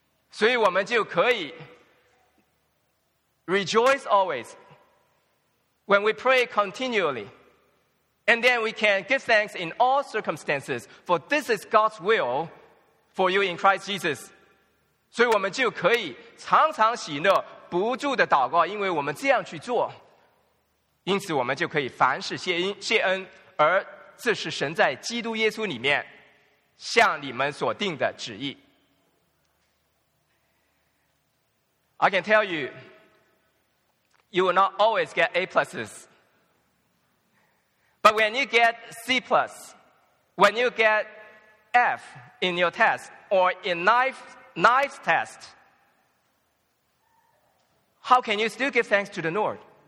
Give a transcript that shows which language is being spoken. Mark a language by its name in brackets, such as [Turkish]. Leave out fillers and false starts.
[Chinese] 所以我们就可以 [English] rejoice always when we pray continually, and then we can give thanks in all circumstances, for this is God's will for you in Christ Jesus. [Chinese] 所以我们就可以常常喜乐，不住的祷告，因为我们这样去做，因此我们就可以凡事谢恩，而这是神在基督耶稣里面向你们所定的旨意。 [English] I can tell you, you will not always get A pluses, but when you get C plus, when you get F in your test or in knife test, how can you still give thanks to the Lord?